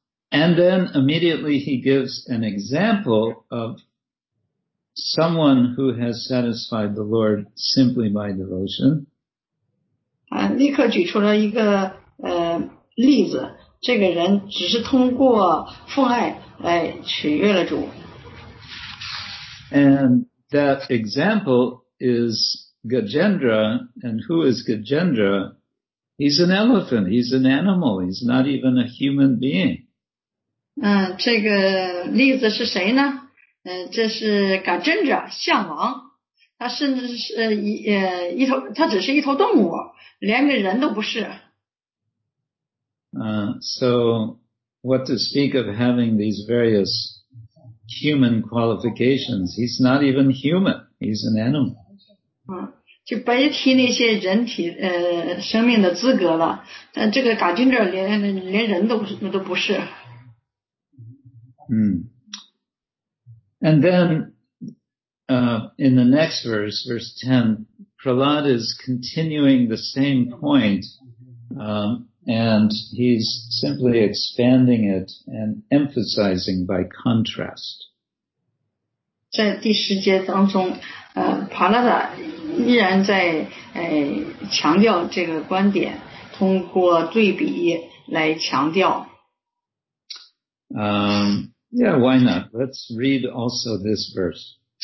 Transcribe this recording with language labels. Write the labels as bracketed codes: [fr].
[en] And then immediately he gives an example of someone who has satisfied the Lord simply by devotion. [zh] 立刻举出了一个例子，这个人只是通过奉爱来取悦了主。 [en] And that example is Gajendra. And who is Gajendra? He's an elephant. He's an animal. He's not even a human being. [zh] 这个例子是谁呢？这是 Gajendra, 象王。他甚至是一头，他只是一头动物，连个人都不是。 [en] So what to speak of having these various human qualifications. He's not even human. He's an animal. [zh] 就别提那些人体生命的资格了。但这个Gajendra连人都不是。 [en] And then, in the next verse, verse 10, Prahlad is continuing the same point, and he's simply expanding it and emphasizing by contrast. [zh] 在第十节当中，帕拉达依然在强调这个观点，通过对比来强调。 [en] Why not? Let's read also this verse.